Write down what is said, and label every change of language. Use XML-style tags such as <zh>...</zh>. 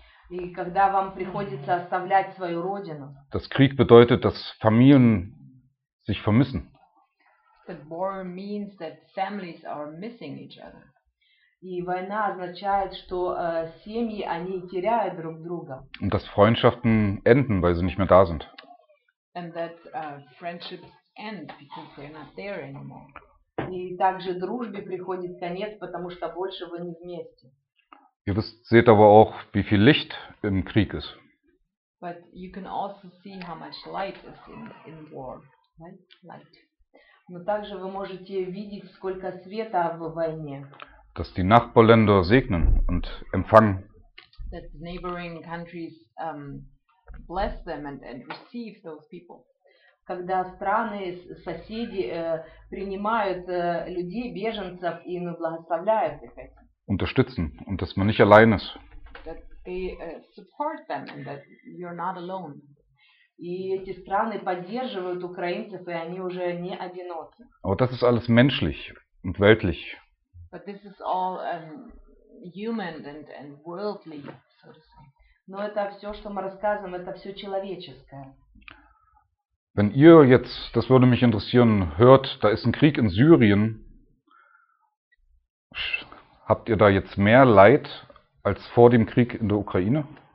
<ru>И когда вам приходится оставлять свою родину.</ru> <de>Das Krieg bedeutet, dass Familien sich vermissen.</de> <en>That war means that families are missing each other.</en> <ru>И война означает, что семьи они теряют друг друга.</ru> <de>Und dass Freundschaften enden, weil sie nicht mehr da sind.</de> <en>And that friendships end because they're not there anymore.</en> <ru>И также дружбе приходит конец, потому что больше вы не вместе.</ru> <de>Ihr seht aber auch, wie viel Licht im Krieg ist.</de> <en>But you can also see how much light is in war, right? Light.</en> <ru>Но также вы можете видеть, сколько света в войне.</ru> <de>Dass die Nachbarländer segnen und empfangen.</de> <en>That the neighboring countries bless them and receive those people.</en> <ru>Когда страны, соседи принимают людей, беженцев и благословляют их.</ru> <de>Unterstützen und dass man nicht allein ist.</de> <en>That they support them and that you're not alone.</en> <ru>И эти страны поддерживают украинцев, и они уже не одиноки.</ru> <de>Aber das ist alles menschlich und weltlich.</de> <en>But this is all human and worldly, so to say.</en> <ru>Но это все, что мы рассказываем, это все человеческое.</ru> <de>Wenn ihr jetzt, das würde mich interessieren, hört, da ist ein Krieg in Syrien, habt ihr da jetzt mehr Leid als vor dem Krieg in der Ukraine?</de>